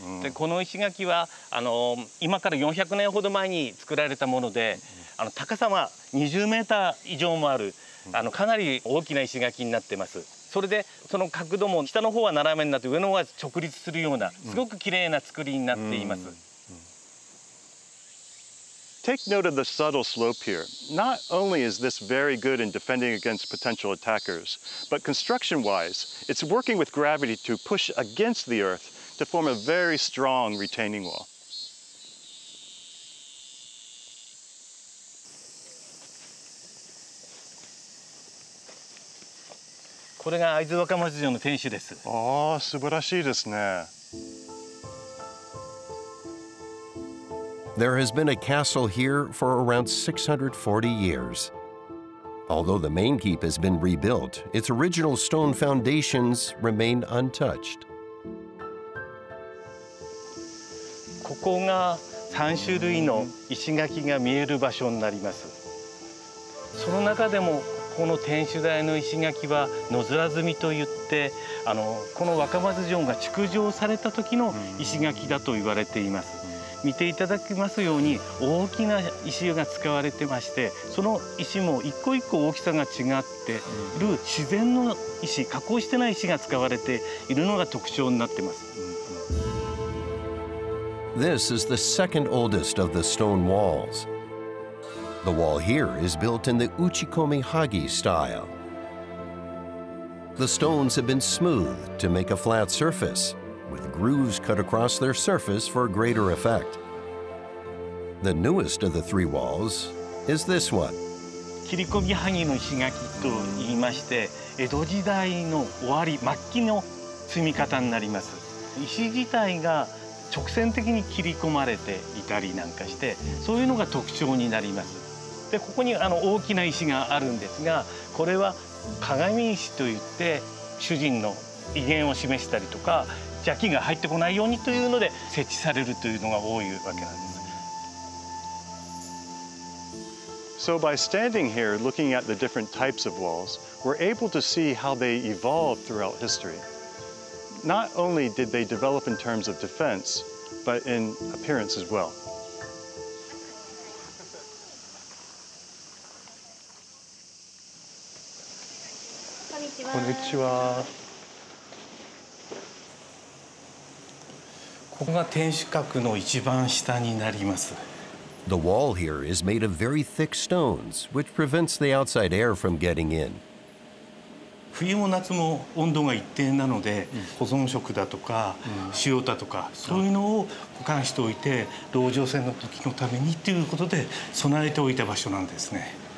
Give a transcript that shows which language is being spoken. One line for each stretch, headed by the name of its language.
Japanese: で、この石垣は今から400年ほど前に作られたもので、高さは20メーター以上もある、かなり大きな石垣になってます。それでその角度も下の方は斜めになって上の方は直立するようなすごく綺麗な作りになっています。
English: Take note of the subtle slope here. Not only is this very good in defending against potential attackers, but construction-wise, it's working with gravity to push against the earth to form a very strong retaining wall.
Japanese: これが会津若松城の天守です。おー、素晴らしいですね。
English: There has been a castle here for around 640 years. Although the main keep has been rebuilt, its original stone foundations remain untouched.
Japanese: ここが三種類の石垣が見える場所になります。その中でもこの天守台の石垣は野面積みといって、この若松城が築城された時の石垣だと言われています。見ていただきますように大きな石が使われてまして、その石も一個一個大きさが違っている自然の石、加工してない石が使われているのが特徴になってます。
English: This is the second oldest of the stone walls. The wall here is built in the uchikomi hagi style. The stones have been smoothed to make a flat surface. With grooves cut across their surface for greater effect. The newest of the three walls is this one.
Japanese: 切り込み萩の石垣といいまして、江戸時代の終わり末期の積み方になります。石自体が直線的に切り込まれていたりなんかして、そういうのが特徴になります。でここにあの大きな石があるんですが、これは鏡石といって、主人の威厳を示したりとか邪気が入ってこないようにというので設置されるというのが多いわけなんです。
English: So by standing here looking at the different types of walls, we're able to see how they evolved throughout history. Not only did they develop in terms of defense, but in appearance as well.
Japanese: こんにちは。ここが天守閣の一番下になります。
English: The wall here is made of very thick stones, which prevents the outside air from getting in.
Japanese: 冬も夏も温度が一定なので、保存食だとか塩だとか、そういうのを保管しておいて、籠城戦の時のためにということで備えておいた場所なんですね。